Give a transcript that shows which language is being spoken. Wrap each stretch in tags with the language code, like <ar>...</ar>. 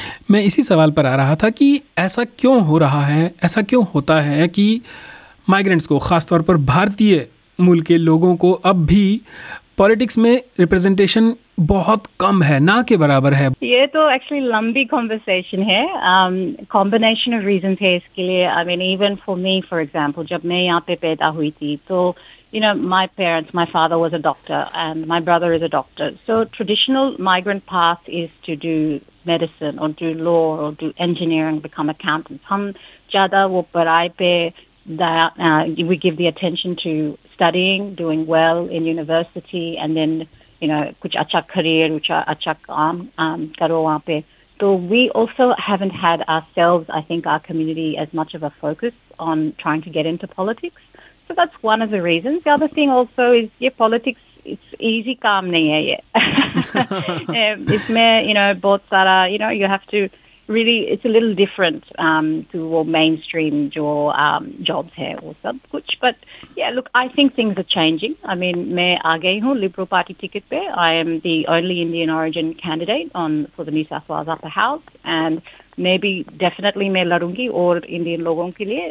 <hi>मैं इसी सवाल पर आ रहा था कि ऐसा क्यों हो रहा है, ऐसा क्यों होता है कि माइग्रेंट्स को, खासतौर पर भारतीय मूल के लोगों को, अब भी पॉलिटिक्स में रिप्रेजेंटेशन बहुत कम है, ना के बराबर है? ये तो एक्चुअली लंबी कॉन्वर्सेशन है. कॉम्बिनेशन ऑफ रीजन है इसके लिए.</hi> <en>I mean even for me for example,</en> <hi>जब मैं यहाँ पे पैदा हुई थी</hi> <en>तो you know my parents, my father was a doctor and my brother is a doctor. So traditional migrant path is to do medicine or do law or do engineering, become accountants.</en> <hi>Hum jada wo parai pe</hi> <en>we give the attention to studying, doing well in university, and then you know</en> <hi>kuch acha career, kuch acha kaam karo wahan pe.</hi> <en>So we also haven't had ourselves, I think, our community as much of a focus on trying to get into politics. So that's one of the reasons. The other thing also is politics, it's easy</en> <hi>kaam nahi hai ye.</hi> <en>इसमें you know बहुत सारा you know you have to really, it's a little different to वो mainstream</en> <hi>जो jobs है वो सब कुछ.</hi> <en>But yeah look, I think things are changing. I mean</en> <hi>मैं आ गई हूँ लिबरल पार्टी टिकट पे.</hi> <en>I am the only Indian origin candidate on for the New South Wales upper house and maybe definitely</en> <hi>मैं लड़ूंगी और Indian लोगों के लिए.</hi>